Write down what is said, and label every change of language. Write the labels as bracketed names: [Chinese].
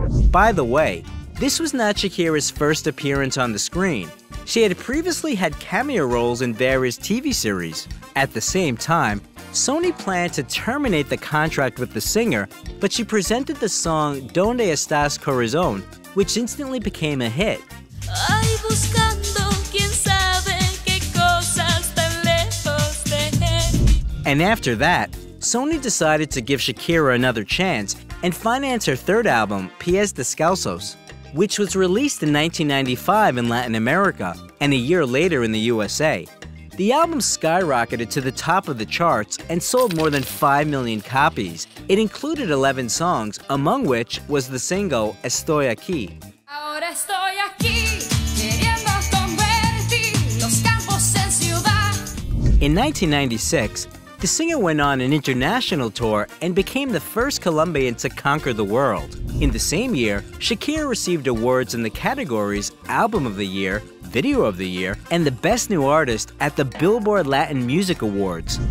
[English] By the way, this was not Shakira's first appearance on the screen. She had previously had cameo roles in various TV series. At the same time, Sony planned to terminate the contract with the singer, but she presented the song Donde Estás Corazón, which instantly became a hit. [Spanish] Ay, buscando, quién sabe qué cosas tan lejos de mí. [English] And after that, Sony decided to give Shakira another chance and finance her 3rd album, Pies Descalzos, which was released in 1995 in Latin America and a year later in the USA. The album skyrocketed to the top of the charts and sold more than 5 million copies. It included 11 songs, among which was the single Estoy Aquí. [Spanish] Ahora estoy aquí, queriendo convertir los campos en ciudad. [English] In 1996, the singer went on an international tour and became the first Colombian to conquer the world. In the same year, Shakira received awards in the categories Album of the Year, Video of the Year, and the Best New Artist at the Billboard Latin Music Awards.